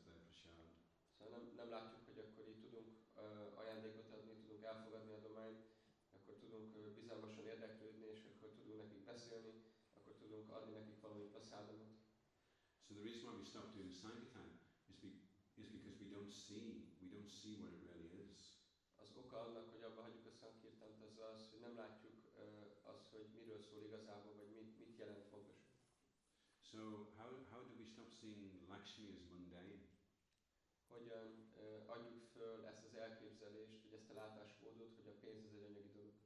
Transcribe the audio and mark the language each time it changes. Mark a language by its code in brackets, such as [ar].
[hu] Szóval nem látjuk, hogy akkor így tudunk ajándékot adni, tudunk elfogadni adományt, akkor tudunk bizalmasan érdeklődni, és akkor tudunk nekik beszélni, akkor tudunk adni nekik valami beszállamot. [en] So the reason why we stopped doing Sankirtan is because we don't see what it really is. [hu] Az oka annak, hogy abba hagyjuk a Sankirtant, az az, hogy nem látjuk az, hogy miről szól igazából, vagy mit jelent fontos. [en] So how do we stop seeing Lakshmi as mundane? [hu] Hogyan adjuk föl ezt az elképzelést, vagy ezt a látásmódot, hogy a pénz az egy anyagi dolog?